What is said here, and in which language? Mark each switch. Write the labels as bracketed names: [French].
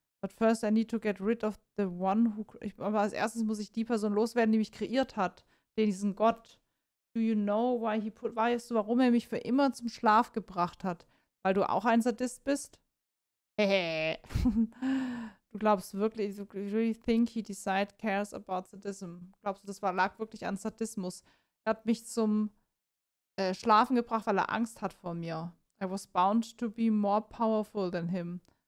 [English] But first I need to get rid of the one who. [German] Aber als erstes muss ich die Person loswerden, die mich kreiert hat. Diesen Gott. [English] Do you know why he put. [German] Weißt du, warum er mich für immer zum Schlaf gebracht hat? Weil du auch ein Sadist bist? Du glaubst wirklich. [English] You really think he decide cares about sadism? [German] Glaubst du, das lag wirklich an Sadismus? Er hat mich zum Schlafen gebracht, weil er Angst hat vor mir. [English] I was bound to be more powerful than him.